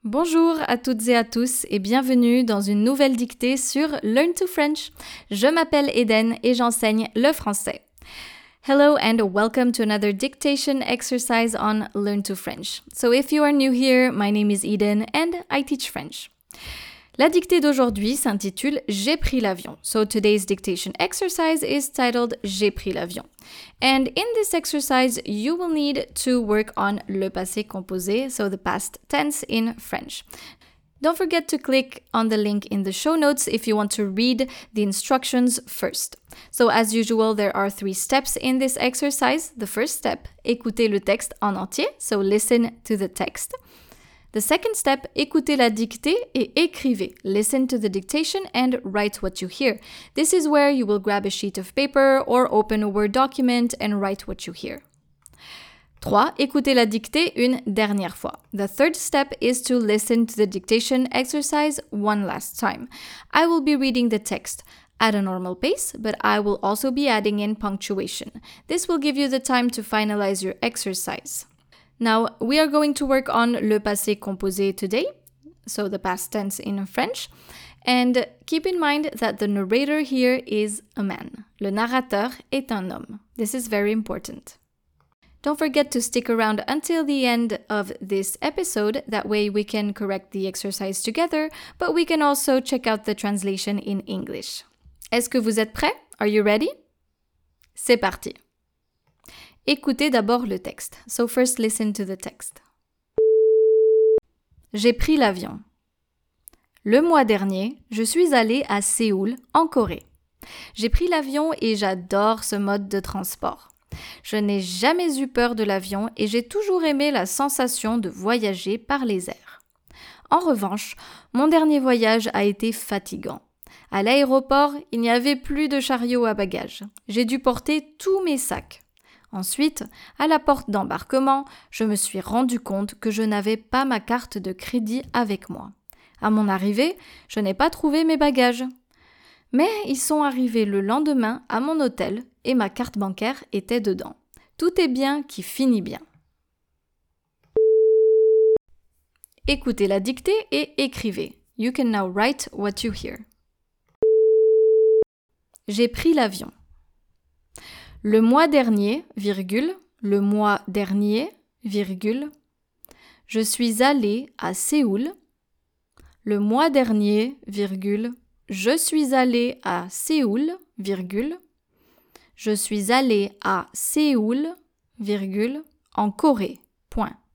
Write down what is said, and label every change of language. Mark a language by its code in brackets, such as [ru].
[fr] Bonjour à toutes et à tous et bienvenue dans une nouvelle dictée sur Learn to French. Je m'appelle Eden et j'enseigne le français. [en] Hello and welcome to another dictation exercise on Learn to French. So if you are new here, my name is Eden and I teach French. [fr] La dictée d'aujourd'hui s'intitule « J'ai pris l'avion ». [en] So today's dictation exercise is titled [fr] « J'ai pris l'avion ». [en] And in this exercise, you will need to work on le passé composé, so the past tense in French. Don't forget to click on the link in the show notes if you want to read the instructions first. So as usual, there are three steps in this exercise. The first step, [fr] écouter le texte en entier, [en] so listen to the text. The second step, [fr] écoutez la dictée et écrivez. [en] Listen to the dictation and write what you hear. This is where you will grab a sheet of paper or open a Word document and write what you hear. 3. [fr] Écoutez la dictée une dernière fois. [en] The third step is to listen to the dictation exercise one last time. I will be reading the text at a normal pace, but I will also be adding in punctuation. This will give you the time to finalize your exercise. Now, we are going to work on le passé composé today, so the past tense in French, and keep in mind that the narrator here is a man. [fr] Le narrateur est un homme. [en] This is very important. Don't forget to stick around until the end of this episode, that way we can correct the exercise together, but we can also check out the translation in English. [fr] Est-ce que vous êtes prêt? [en] Are you ready? [fr] C'est parti! Écoutez d'abord le texte. [en] So first listen to the text. [fr] J'ai pris l'avion. Le mois dernier, je suis allée à Séoul, en Corée. J'ai pris l'avion et j'adore ce mode de transport. Je n'ai jamais eu peur de l'avion et j'ai toujours aimé la sensation de voyager par les airs. En revanche, mon dernier voyage a été fatigant. À l'aéroport, il n'y avait plus de chariot à bagages. J'ai dû porter tous mes sacs. Ensuite, à la porte d'embarquement, je me suis rendu compte que je n'avais pas ma carte de crédit avec moi. À mon arrivée, je n'ai pas trouvé mes bagages. Mais ils sont arrivés le lendemain à mon hôtel et ma carte bancaire était dedans. Tout est bien qui finit bien. Écoutez la dictée et écrivez. [en] You can now write what you hear. [fr] J'ai pris l'avion. Le mois dernier, virgule, le mois dernier, virgule, je suis allée à Séoul. Le mois dernier, virgule, je suis allée à Séoul, virgule, je suis allée à Séoul, virgule, en Corée, point.